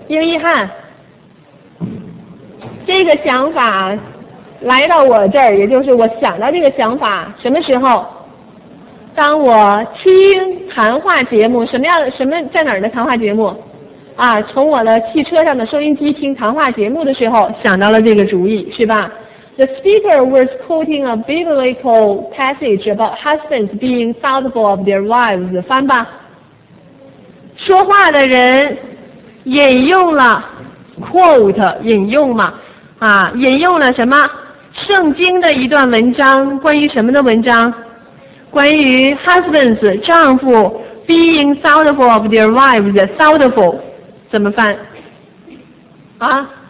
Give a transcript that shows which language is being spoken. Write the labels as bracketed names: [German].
[Chinese] 英译汉，这个想法来到我这儿，也就是我想到这个想法什么时候？当我听谈话节目，在哪儿的谈话节目？啊，从我的汽车上的收音机听谈话节目的时候，想到了这个主意，是吧？ [English] The speaker was quoting a biblical passage about husbands being faithful of their wives. [Chinese] 翻吧。说话的人引用了 quote， 引用嘛，啊，引用了什么？圣经的一段文章，关于什么的文章？关于 husbands 丈夫 [English] being thoughtful of their wives， [Chinese] thoughtful 怎么翻啊？